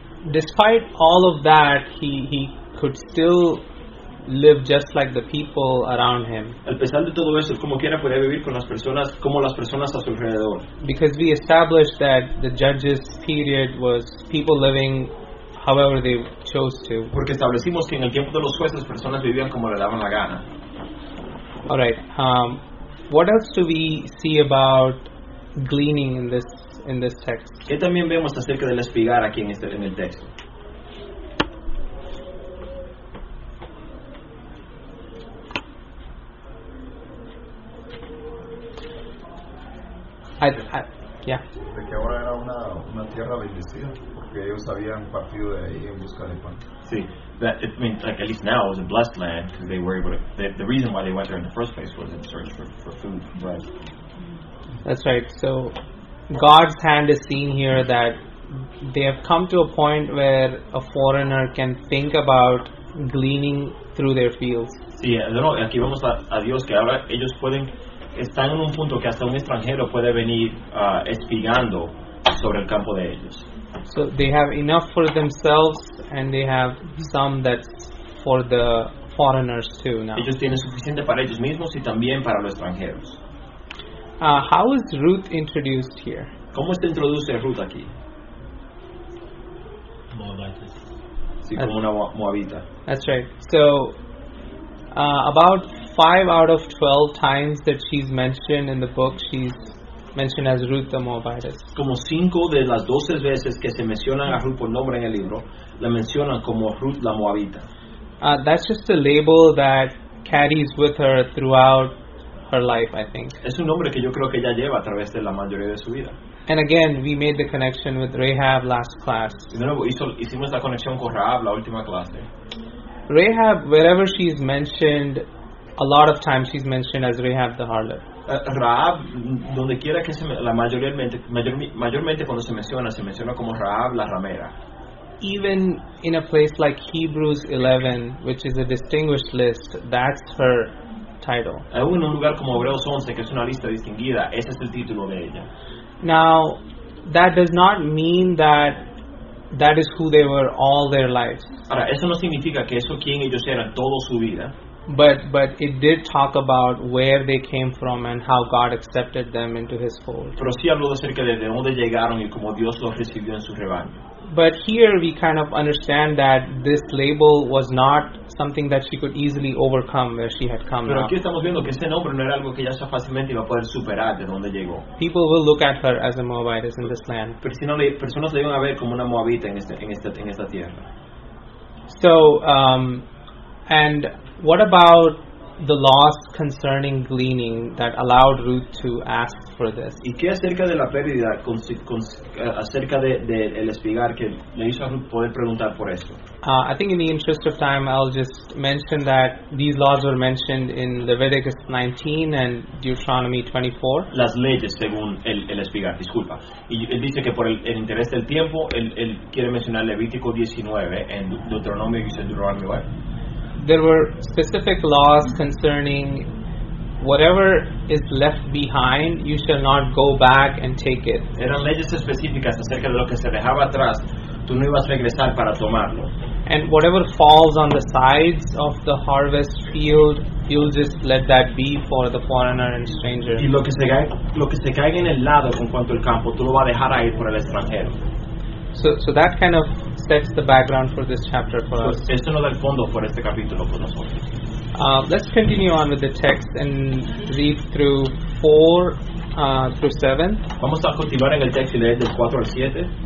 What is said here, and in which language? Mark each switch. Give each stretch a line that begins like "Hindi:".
English: Despite all of that, he could still live just like the people around him.
Spanish: A pesar de todo eso, como quiera podía vivir con las personas como las personas a su alrededor.
English: Because we established that the judges period was people living however they chose to.
Spanish: Porque establecimos que en el tiempo de los jueces personas vivían como le daban la gana.
English: All right. What else do we see about gleaning in this text?
Spanish: ¿Qué también vemos acerca del espigar aquí en este en el texto?
English: Yeah.
Spanish: De que ahora era una tierra bendecida porque ellos habían partido de ahí en busca de pan. Sí.
English: That it means like at least now it was a blessed land because they were able to. The reason why they went there in the first place was in search for food and bread. That's right. So God's hand is seen here that they have come to a point where a foreigner can think about gleaning through their fields.
Spanish: Sí. No. Aquí vemos a Dios que ahora ellos pueden. Están en un punto que hasta un extranjero puede venir espigando sobre el campo de ellos.
English: So they have enough for themselves and they have some that's for the foreigners too now.
Spanish: Ellos tienen suficiente para ellos mismos y también para los extranjeros.
English: How is Ruth introduced here?
Spanish: ¿Cómo se introduce Ruth aquí?
English: Moabitess.
Spanish: Sí, como una Moabita.
English: That's right. So about 5 out of 12 times that she's mentioned in the book, she's mentioned as Ruth the Moabitess.
Spanish: Como 5 de las 12 veces que se mencionan a Ruth por nombre en el libro, la mencionan como Ruth la Moabita.
English: That's just a label that carries with her throughout her life, I think.
Spanish: Es un nombre que yo creo que ella lleva a través de la mayoría de su vida.
English: And again, we made the connection with Rahab last class.
Spanish: De nuevo, hicimos la conexión con Rahab la última clase.
English: Rahab, wherever she's mentioned, a lot of times she's mentioned as Rahab the harlot.
Spanish: Rahab, donde quiera que se la mayormente cuando se menciona como Rahab la ramera.
English: Even in a place like Hebrews 11, which is a distinguished list, that's her title.
Spanish: Aún en un lugar como Hebreos 11, que es una lista distinguida, ese es el título de ella.
English: Now, that does not mean that that is who they were all their lives.
Spanish: Ahora, eso no significa que eso quien ellos eran toda su vida.
English: But it did talk about where they came from and how God accepted them into His fold.
Spanish: Pero sí habló acerca de dónde llegaron y cómo Dios los recibió en su rebaño.
English: But here we kind of understand that this label was not something that she could easily overcome where she had come.
Spanish: Pero aquí estamos viendo que este nombre no era algo que ella fácilmente iba a poder superar de donde llegó.
English: People will look at her as a Moabitess in this land.
Spanish: Pero si no, personas la iban a ver como una Moabita en esta tierra.
English: So, and what about the laws concerning gleaning that allowed Ruth to ask for this?
Spanish: ¿Y qué acerca de la pérdida acerca de el espigar que le hizo a Ruth poder preguntar por esto?
English: I think in the interest of time, I'll just mention that these laws were mentioned in Leviticus 19 and Deuteronomy 24.
Spanish: Las leyes según el espigar, disculpa. Y él dice que por el interés del tiempo, él quiere mencionar Levítico 19 en Deuteronomio y Deuteronomio 9.
English: There were specific laws concerning whatever is left behind, you shall not go back and take it.
Spanish: Eran leyes específicas acerca de lo que se dejaba atrás, tú no ibas a regresar para tomarlo.
English: And whatever falls on the sides of the harvest field, you'll just let that be for the foreigner and stranger.
Spanish: Y lo que se caiga en el lado con cuanto al campo, tú lo vas a dejar ahí por el extranjero.
English: So that kind of sets the background for this chapter for us.
Spanish: Esto nos da el fondo por este capítulo por nosotros.
English: Let's continue on with the text and read through 4 through 7.
Spanish: Vamos a continuar en el texto y leer del 4 al 7.